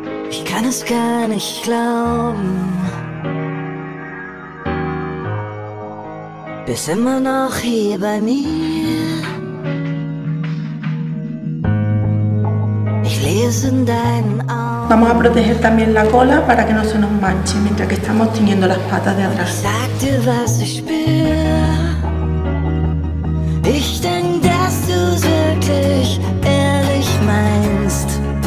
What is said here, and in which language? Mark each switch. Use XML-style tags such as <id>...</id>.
<de>Ich kann es gar nicht glauben, bist immer noch hier bei mir. Ich lese in deinen Augen.</de> <es>Vamos a proteger también la cola para que no se nos manche mientras que estamos tiñendo las patas de atrás.</es> <de>Sag dir, was ich bin. Ich denk, dass du's wirklich ehrlich meinst.</de>